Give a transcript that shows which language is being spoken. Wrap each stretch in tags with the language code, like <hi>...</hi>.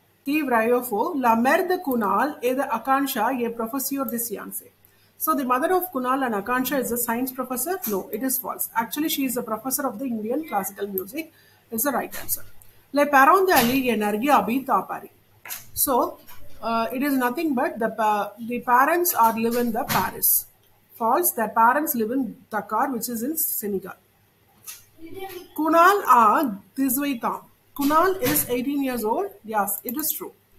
<fr>La mère de Kunal et de Akanksha est professeur de science.</fr> <en>So the mother of Kunal and Akanksha is a science professor? No, it is false. Actually, she is a professor of the Indian classical music. It's the right answer.</en> <fr>Les parents de Ali et Nargis habitent à Paris.</fr> <en>So it is nothing but the parents are live in the Paris. False. Their parents live in Dakar, which is in Senegal.</en> <fr>Kunal a 18 ans.</fr> <en>Kunal is 18 years old. Yes, it is true.</en>